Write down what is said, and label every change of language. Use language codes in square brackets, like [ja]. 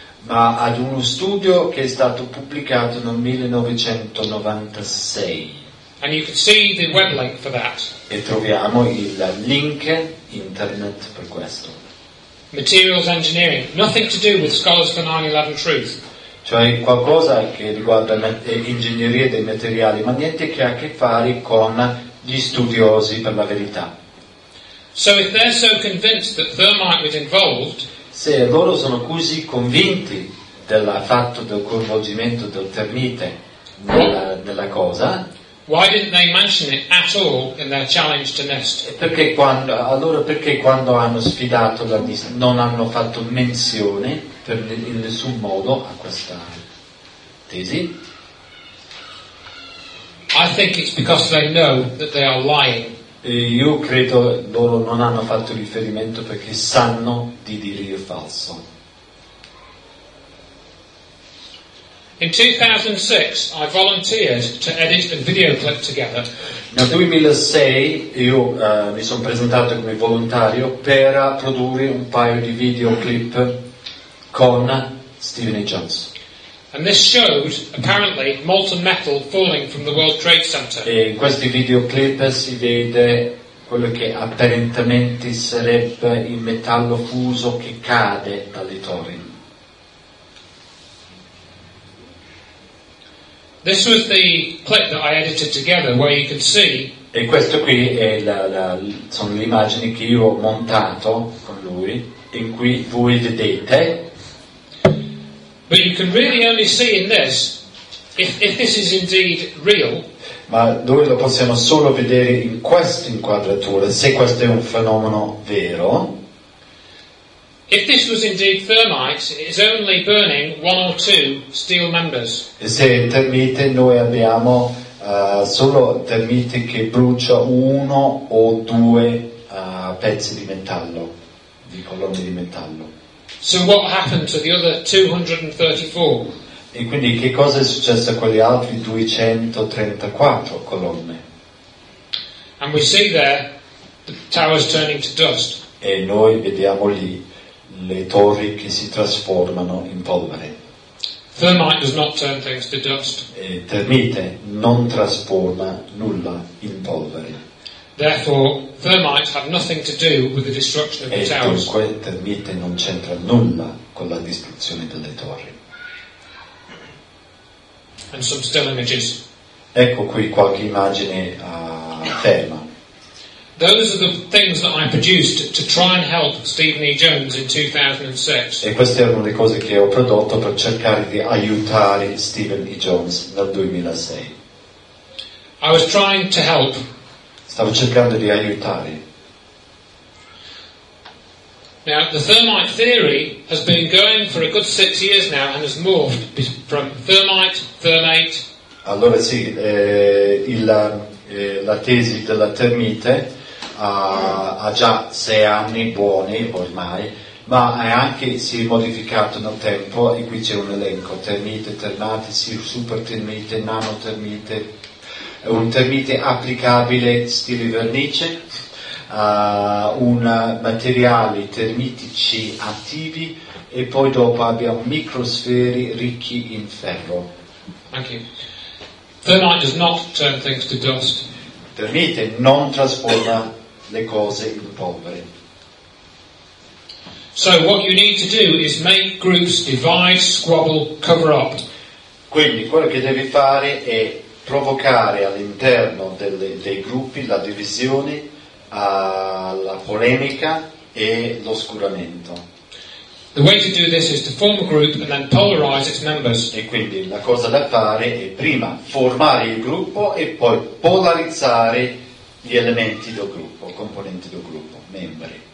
[it] Ma ad uno studio che è stato pubblicato nel 1996. [en] And you can see the web link for that. [it] E troviamo il link internet per questo. [en] Materials engineering, nothing to do with scholars for 9/11 truth. [it] Cioè qualcosa che riguarda l'ingegneria dei materiali, ma niente che ha a che fare con gli studiosi per la verità. [en] So if they're so convinced that thermite was involved. [it] Se loro sono così convinti del fatto del coinvolgimento del termite nella cosa, [en] why didn't they mention it at all in their challenge to NIST? [it] Perché quando hanno sfidato la NIST non hanno fatto menzione per in nessun modo a questa tesi? [en] I think it's because they know that they are lying. [it] Io credo loro non hanno fatto riferimento perché sanno di dire il falso. [en] In 2006, I volunteered to edit a video clip together. [it] Nel 2006 io mi sono presentato come volontario per produrre un paio di videoclip con Stephen Jones. [en] And this showed apparently molten metal falling from the World Trade Center. [it] E in questi videoclip si vede quello che apparentemente sarebbe il metallo fuso che cade dalle torri. [en] This was the clip that I edited together where you can see. [it] E questo qui è sono le immagini che io ho montato con lui in cui voi vedete. [en] But you can really only see in this if this is indeed real. [it] Ma noi lo possiamo solo vedere in questa inquadratura se questo è un fenomeno vero. [en] If this was indeed thermite, it is only burning one or two steel members. [it] E se è termite, noi abbiamo solo termite che brucia uno o due pezzi di metallo, di colonne di metallo. [en] So what happened to the other 234? [it] E quindi che cosa è successo a quegli altri 234 colonne? [en] And we see there the towers turning to dust. [it] E noi vediamo lì le torri che si trasformano in polvere. [en] Thermite does not turn things to dust. [it] E termite non trasforma nulla in polvere. [en] Therefore, thermite have nothing to do with the destruction of the towers. [it] E dunque, termite non c'entra nulla con la distruzione delle torri. [en] And some still images. [it] Ecco qui qualche immagine a ferma. [en] Those are the things that I produced to try and help Stephen E. Jones in 2006. [it] E queste erano le cose che ho prodotto per cercare di aiutare Stephen E. Jones nel 2006. [en] I was trying to help. [it] Stavo cercando di aiutare. [en] Now, the thermite theory has been going for a good 6 years now and has morphed from thermite, thermate. [it] Allora sì, la tesi della termite ha già 6 anni buoni ormai, ma si è modificato nel tempo e qui c'è un elenco: termite, termate, super termite, nanotermite. un termite applicabile stile vernice, un materiale termitici attivi e poi dopo abbiamo microsferi ricchi in ferro. [en] Thank you. Thermite does not turn things to dust. [it] Termite non trasforma le cose in polvere. [en] So what you need to do is make groups, divide, squabble, cover up. [it] Quindi quello che devi fare è provocare all'interno dei gruppi la divisione, la polemica e l'oscuramento. [en] The way to do this is to form a group and then polarize its members. [it] E quindi la cosa da fare è prima formare il gruppo e poi polarizzare gli elementi del gruppo, componenti del gruppo, membri.